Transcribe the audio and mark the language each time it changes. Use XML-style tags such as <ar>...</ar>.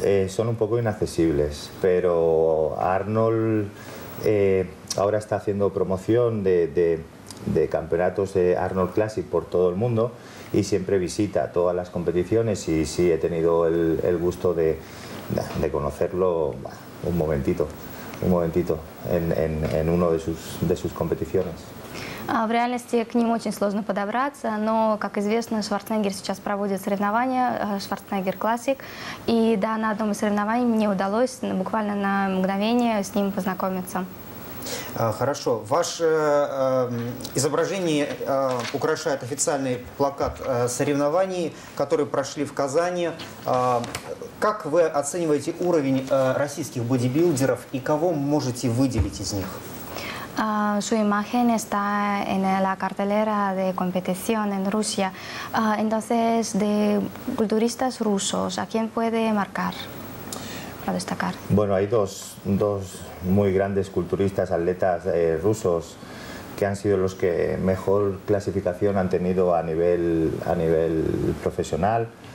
<es>Son un poco inaccesibles, pero Arnold ahora está haciendo promoción de campeonatos de Arnold Classic por todo el mundo y siempre visita todas las competiciones y sí, he tenido el gusto de conocerlo un momentito en uno de sus competiciones.</es> <ru>В реальности к ним очень сложно подобраться, но, как известно, Шварценеггер сейчас проводит соревнования, Шварценеггер Классик, и да, на одном из соревнований мне удалось буквально на мгновение с ним познакомиться. Хорошо. Ваше изображение украшает официальный плакат соревнований, которые прошли в Казани. Как вы оцениваете уровень российских бодибилдеров и кого можете выделить из них?</ru> <es>Su imagen está en la cartelera de competición en Rusia. Entonces, de culturistas rusos, ¿a quién puede marcar para destacar? Bueno, hay dos muy grandes culturistas, atletas rusos, que han sido los que mejor clasificación han tenido a nivel profesional.</es>